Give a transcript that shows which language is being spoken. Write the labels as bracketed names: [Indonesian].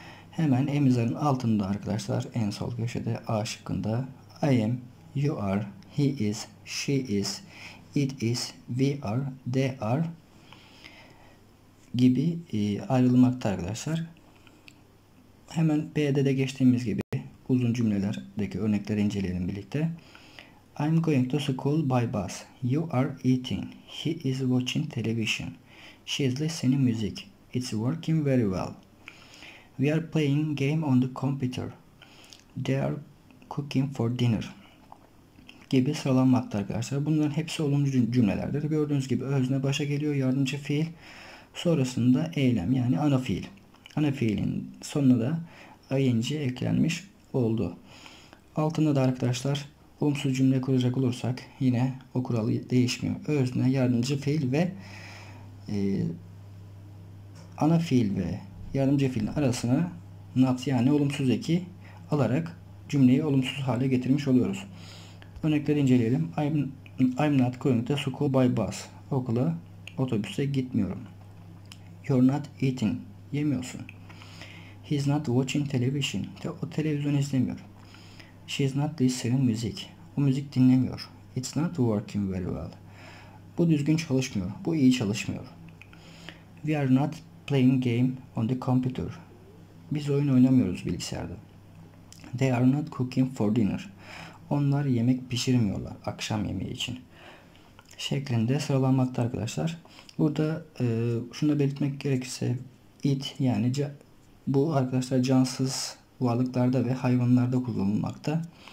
[Turkish] Hemen emizarın altında arkadaşlar en sol köşede A şıkkında [English] I am, you are, he is, she is, it is, we are, they are [Turkish] gibi ayrılmakta arkadaşlar. Hemen B'de de geçtiğimiz gibi uzun cümlelerdeki örnekleri inceleyelim birlikte. [English] I'm going to school by bus. You are eating. He is watching television. She is listening music. It's working very well. We are playing game on the computer. They are cooking for dinner. [Turkish] Gibi sıralanmakta arkadaşlar. Bunların hepsi olumlu cümlelerdir. Gördüğünüz gibi özne başa geliyor, yardımcı fiil. Sonrasında eylem, yani ana fiil. Ana fiilin sonuna da ing eklenmiş oldu. Altında da arkadaşlar olumsuz cümle kuracak olursak yine o kuralı değişmiyor. Özne, yardımcı fiil ve ana fiil ve yardımcı fiilin arasına not, yani olumsuz eki alarak cümleyi olumsuz hale getirmiş oluyoruz. Örnekleri inceleyelim. [English] I'm not going to school by bus. [Turkish] Okula otobüse gitmiyorum. [English] You're not eating. [Turkish] Yemiyorsun. [English] He's not watching television. [Turkish] O televizyon izlemiyor. [English] She's not listening music. [Turkish] O müzik dinlemiyor. [English] It's not working very well. [Turkish] Bu düzgün çalışmıyor. Bu iyi çalışmıyor. [English] We are not playing game on the computer. [Turkish] Biz oyun oynamıyoruz bilgisayarda. [English] They are not cooking for dinner. [Turkish] Onlar yemek pişirmiyorlar akşam yemeği için. Şeklinde sıralanmakta arkadaşlar. Burada şunu da belirtmek gerekirse it, yani bu arkadaşlar cansız varlıklarda ve hayvanlarda kullanılmakta.